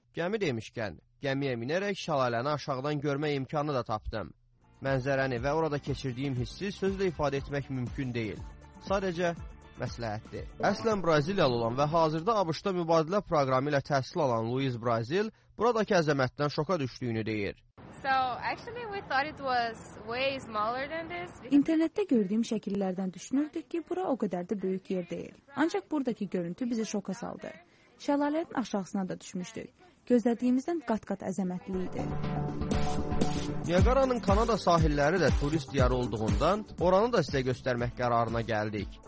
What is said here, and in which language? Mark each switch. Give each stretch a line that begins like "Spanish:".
Azerbaijani: Gəmi demişkən, gəmiyə minərək şəlaləni aşağıdan görmə imkanı da tapdım. Mənzərəni və orada keçirdiyim hissi sözlə ifadə etmək mümkün deyil. Sadəcə məsləhətdir. Əslən Braziliyalı olan və hazırda ABŞ-da mübadilə proqramı ilə təhsil alan Luis Brazil buradakı əzəmətdən şoka düşdüyünü deyir.
English: So, actually we thought it was way smaller than this.
Azerbaijani: İnternetdə gördüyüm şəkillərdən düşünürdük ki, bura o qədər də böyük yer deyil. Ancaq buradakı görüntü bizi şoka saldı. Şəlalənin aşağısına da düşmüşdük. Gözlədiyimizdən qat-qat əzəmətli idi. Niagara'nın Kanada sahilləri də turist diyarı olduğundan, oranı da sizə göstərmək qərarına gəldik.